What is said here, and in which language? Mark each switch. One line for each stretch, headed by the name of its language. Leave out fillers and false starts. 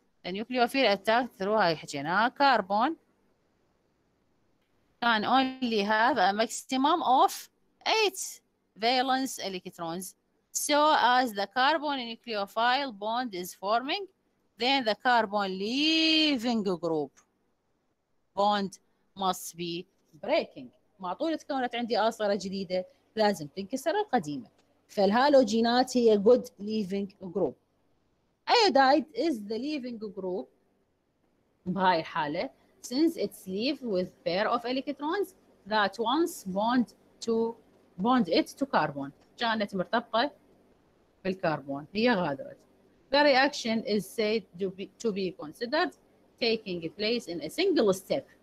English: The nucleophile attacked through
Arabic: هاي حكينا
English: carbon can only have a maximum of 8 valence electrons. So as the carbon nucleophile bond is forming, then the carbon leaving group bond must be breaking.
Arabic: مع طول تكونت عندي أصغر جديدة لازم تنكسر القديمة. فالهالوجينات هي
English: good leaving group. Iodide is the leaving group
Arabic: بهاي الحالة.
English: Since it's leave with pair of electrons that once bond it to carbon.
Arabic: كانت مرتبطة بالكربون. هي غادرت.
English: The reaction is said to be considered taking place in a single step.